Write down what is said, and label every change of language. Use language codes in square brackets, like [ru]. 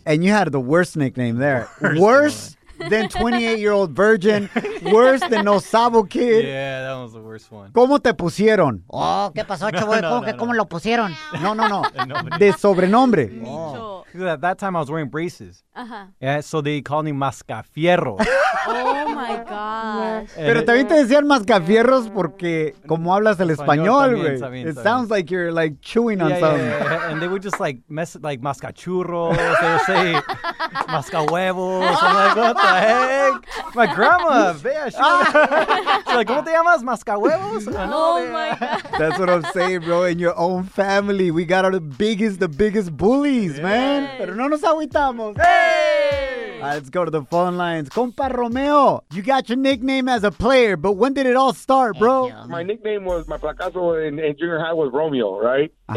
[en] And you had the worst nickname there. Worse than 28-year-old virgin. Worse than No Sabo Kid. Yeah, that was the worst one. [es] ¿Cómo te pusieron? Oh, ¿qué pasó, chavo? ¿Cómo lo pusieron? No. De sobrenombre. [en] Because at that time, I was wearing braces. Uh-huh. Yeah, so they called me Mascafierro. Oh, my God. [es] Pero también te decían Mascafierros porque como hablas el español, güey. [en] It sounds like you're, like, chewing on something. Yeah, yeah. And they would just, like, mess, like, Mascachurros. They would say Mascahuevos. I'm like, what the heck? My grandma, vea, she's like, [es] ¿cómo te llamas? [en] Mascahuevos? Oh, my God. That's what I'm saying, bro. In your own family, we got our the biggest bullies, man. [es] Pero no nos agüitamos. [en] Hey! All right, let's go to the phone lines. Compa Romeo, you got your nickname as a player, but when did it all start, bro? My nickname was, my placazo in junior high was Romeo, right? Uh-huh.